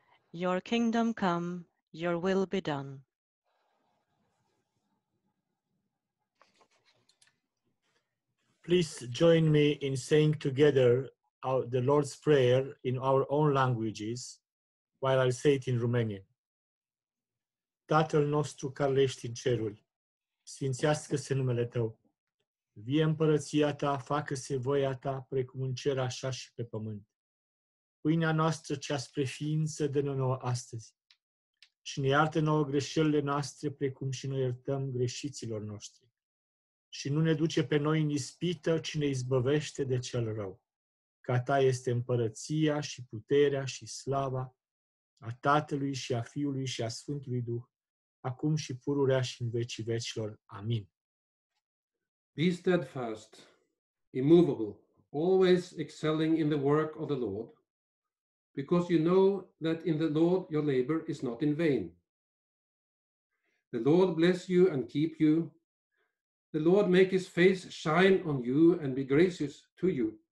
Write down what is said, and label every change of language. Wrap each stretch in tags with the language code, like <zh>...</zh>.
<en>Your kingdom come, your will be done. Please join me in saying together the Lord's Prayer in our own languages while I say it in Romanian.</en> <ro>Tatăl nostru care ești în cerul, sfințească-se numele tău. Vie împărăția ta, facă-se voia ta, precum în cer așa și pe pământ. Pâinea noastră cea spre ființă, dă-ne nouă astăzi. Și ne iartă nouă greșelile noastre, precum și noi iertăm greșiților noștri. Și nu ne duce pe noi în ispită, ci ne izbăvește de cel rău. Ca ta este împărăția și puterea și slava a Tatălui și a Fiului și a Sfântului Duh, acum și pururea și în vecii vecilor. Amin.</ro> <en>Be steadfast, immovable, always excelling in the work of the Lord, because you know that in the Lord your labor is not in vain. The Lord bless you and keep you. The Lord make his face shine on you and be gracious to you.</en>